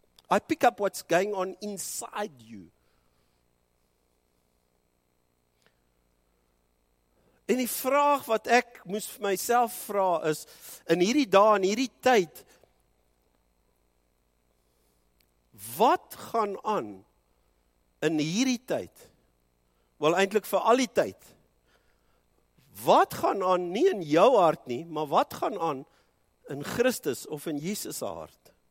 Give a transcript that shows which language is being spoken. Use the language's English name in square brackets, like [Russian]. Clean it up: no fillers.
[English] I pick up what's going on inside you. [Afrikaans] En die vraag wat ek moes vir myself vra is, in hierdie dag, in hierdie tyd, wat gaan aan in hierdie tyd? Wel, eintlik vir al die tyd. Wat gaan aan, nie in jou hart nie, maar wat gaan aan in Christus of in Jesus' hart?